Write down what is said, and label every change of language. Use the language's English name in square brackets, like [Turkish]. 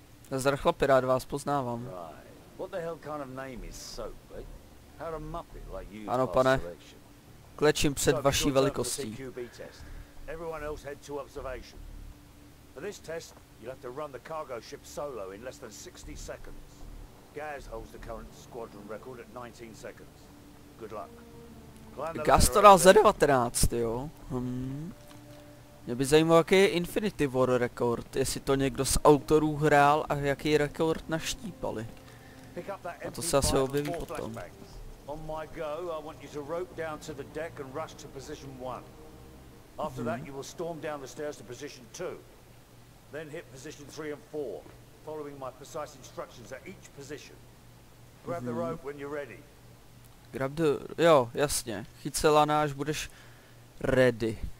[Czech] Nazdar, chlapi, rád vás poznávám. [English] What the hell kind of name is Soap, eh? How a Muppet like you. [Czech] Ano, pane. Klečím před vaší velikostí. [English] Everyone else head to observation. For this test, you'll have to run the cargo ship solo in less than 60 seconds. Gaz holds the current squadron record at 19 seconds. Good luck. [Czech] Gaz to dal za 19, jo. Mě by zajímalo, jaký je Infinity War rekord, jestli to někdo z autorů hrál a jaký rekord naštípali. A to se asi objeví potom. [English] On my go, I want you to rope down to the deck and rush to position one. After that you will storm down the stairs to position two. Then hit position three and four, following my precise instructions at each position. Grab the rope when you're ready. Grab the, [Czech] jo, jasně, chyť se lana, až budeš ready.